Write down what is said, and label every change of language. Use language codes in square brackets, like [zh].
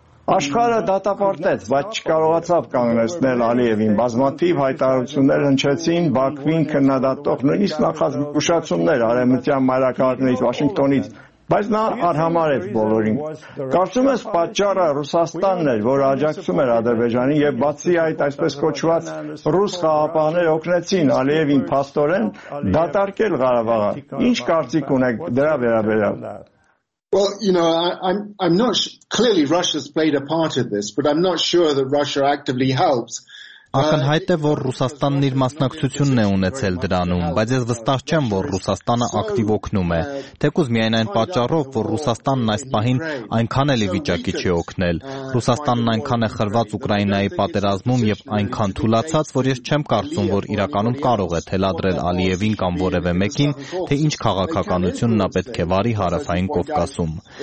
[hy] Աշխարհը դատապարտեց, բայց չկարողացավ կանգնեցնել Ալիևին։ Բազմաթիվ հայտարարություններ հնչեցին Բաքվին քննադատող նույնիսկ նախազգուշացումներ արևմտյան մայրաքաղաքներից, Վաշինգտոնից, բայց նա արհամարեց բոլորին։ Կարծում ես պատճառը Ռուսաստանն էր, որ աջակցում էր Ադրբեջանին, և բացի այդ, այսպես կոչված ռուս խաղապահները օգնեցին Ալիևին փաստորեն դատարկել Ղարաբաղը։ Ինչ կարծիք ունեք դրա վերաբերյալ։ [en] Well, you know, I'm not sure. Clearly Russia's played a part in this, but I'm not sure that Russia actively helps. [hy] Ակնհայտ է, որ Ռուսաստանն իր մասնակցությունն է ունեցել դրանում, բայց ես վստահ չեմ, որ Ռուսաստանը ակտիվ օգնում է, թեկուզ միայն այն պատճառով, որ Ռուսաստանն այս պահին այնքան էլ վիճակի չի օգնել։ Ռուսաստանն այնքան է խրված Ուկրաինայի պատերազմում և այնքան թուլացած, որ ես չեմ կարծում, որ իրականում կարող է թելադրել Ալիևին կամ որևէ մեկին, թե ինչ քաղաքականություն նա պետք է վարի հարավային Կովկասում։